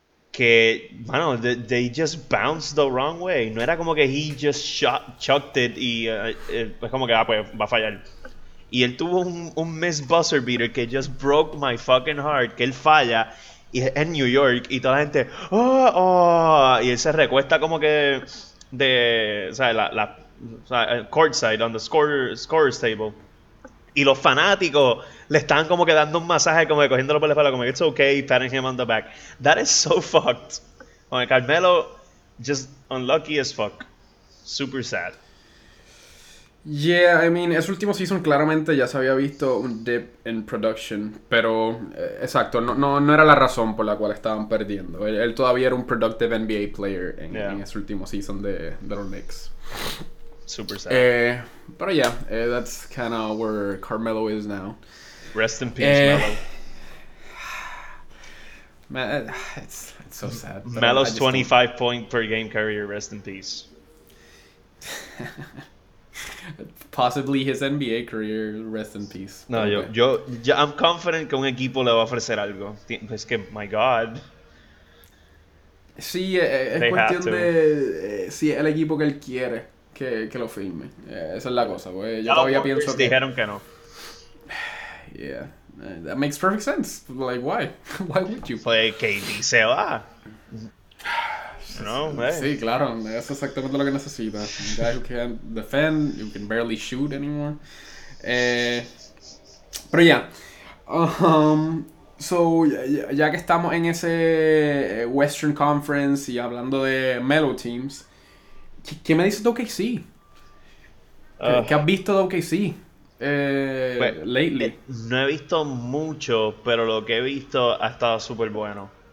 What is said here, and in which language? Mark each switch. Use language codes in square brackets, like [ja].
[es] Que, mano, [en] they just bounced the wrong way. [es] No era como que [en] he just chucked it [es] y es como que pues, va a fallar. Y él tuvo un [en] miss buzzer beater que just broke my fucking heart. [es] Que él falla en New York y toda la gente, y él se recuesta como que de, o sea, [en] courtside, on the scorer's table. [es] Y los fanáticos le están como que dando un masaje, como que cogiéndolo por la espalda, como que [en] it's okay, patting him on the back. That is so fucked. [es] Como que [en] Carmelo, just unlucky as fuck. Super sad. Yeah, I mean, [es] ese último season claramente ya se había visto un [en] dip in production, [es] pero exacto, no era la razón por la cual estaban perdiendo. Él todavía era un [en] productive NBA player [es] en ese último season de los Knicks. [en] Super sad. But yeah, that's kind of where Carmelo is now. Rest in peace, Melo. Man, it's so sad. Melo's 25 point per game career, rest in peace. Possibly his NBA career, rest in peace. [es] No, okay. yo [en] I'm confident [es] que un equipo le va a ofrecer algo. Es que, [en] my God. [es] Sí, es cuestión de si el equipo que él quiere que lo firme. Esa es la cosa, güey. Yo todavía Warriors pienso que dijeron que no. [en] Yeah, that makes perfect sense. Like, why? Why would you? [es] Pues KD se va. No, sí, claro, es exactamente lo que necesita. [en] A guy who can't defend, who can barely shoot anymore. [es] Pero ya. Yeah. [en] So, [es] ya que estamos en ese Western Conference y hablando de Melo teams, ¿qué me dices de OKC? ¿Qué has visto de OKC? Lately. No he visto mucho, pero lo que he visto ha estado súper bueno.